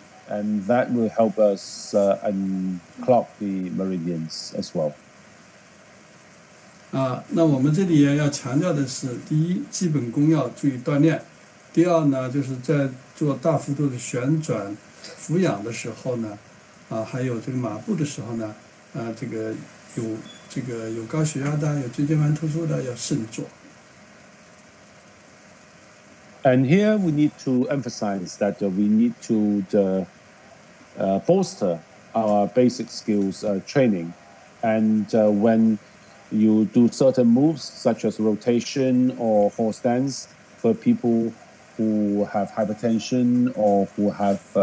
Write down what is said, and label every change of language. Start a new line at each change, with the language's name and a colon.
English: and that will help us unclog the meridians as well.
Chinese: 那我们这里要强调的是，第一，基本功要注意锻炼；第二呢，就是在做大幅度的旋转、俯仰的时候呢，还有这个马步的时候呢，这个有这个有高血压的、有椎间盘突出的要慎重。
English: And here we need to emphasize that we need to bolster our basic skills training, and when you do certain moves such as rotation or horse dance for people who have hypertension or who have